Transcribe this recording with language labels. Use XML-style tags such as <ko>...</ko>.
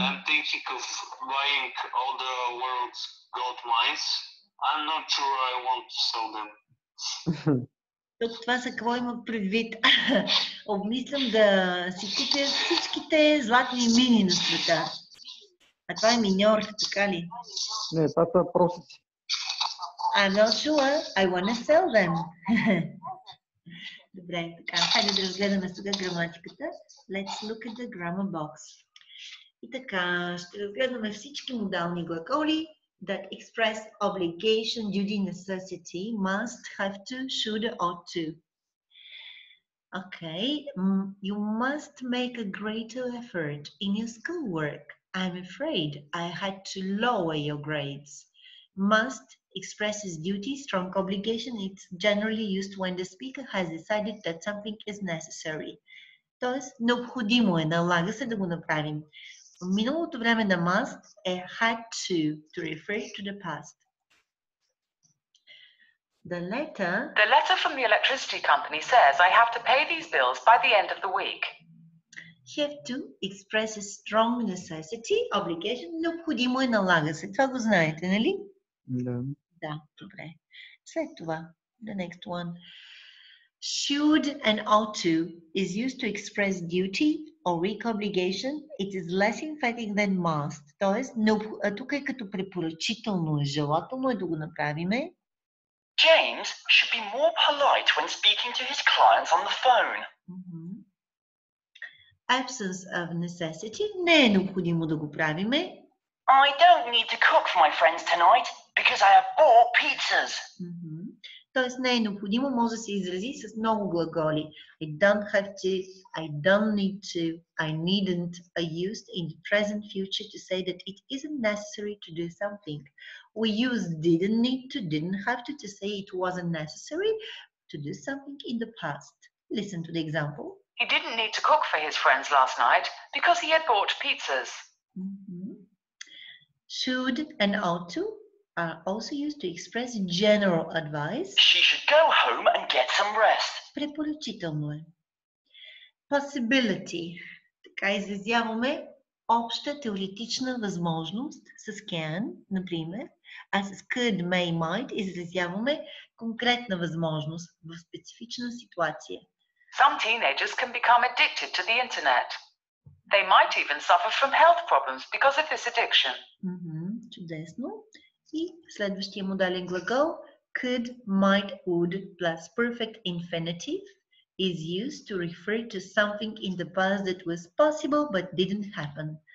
<en>I'm thinking of buying all the world's gold mines. I'm not sure I want to sell them.</en> <bg>Тук това за какво има предвид? Обмислям да си купя всичките златни мини на света. А това е миньор, така ли? Не, това са просите.</bg> <en>I'm not sure I want to sell them.</en> <bg>Добре, така. Хайде да разгледаме сега граматиката.</bg> <en>Let's look at the grammar box.</en> <bg>И така, ще разгледаме всички модални глаголи</bg> <en>that express obligation, duty, necessity, must, have to, should, ought to. Okay, you must make a greater effort in your schoolwork. I'm afraid I had to lower your grades. Must expresses duty, strong obligation. It's generally used when the speaker has decided that something is necessary.</en> <bg>Тоест, необходимо е, налага се да го направим. В миналото време на</bg> <en>must е had to refer to the past. The letter from the electricity company says I have to pay these bills by the end of the week. Have to expresses strong necessity, obligation,</en> <bg>необходимо е, налага се. Това го знаете, нали? Да. Да, добре. След това,</bg> <en>the next one. Should and ought to is used to express duty or weak obligation. It is less emphatic than must.</en> <bg>Тоест, тук е като препоръчително, желателно е да го направиме.</bg> <en>James should be more polite when speaking to his clients on the phone. Absence of necessity.</en> <bg>Не е необходимо да го правиме.</bg> <en>I don't need to cook for my friends tonight because I have four pizzas.</en> <bg>Тоест не е необходимо, може да се изрази с много глаголи.</bg> <en>I don't have to, I don't need to, I needn't are used in the present future to say that it isn't necessary to do something. We use didn't need to, didn't have to say it wasn't necessary to do something in the past. Listen to the example. He didn't need to cook for his friends last night because he had bought pizzas. Should and ought to are also used to express general advice. She should go home and get some rest.</en> <bg>Препоръчително е. Possibility. Така изразяваме обща теоретична възможност с can, например, а с could, may, might изразяваме конкретна възможност в специфична ситуация.</bg> <en>Some teenagers can become addicted to the internet. They might even suffer from health problems because of this addiction.</en> <bg>Чудесно. И следващия модален глагол</bg> <en>could, might, would plus perfect infinitive is used to refer to something in the past that was possible but didn't happen.</en>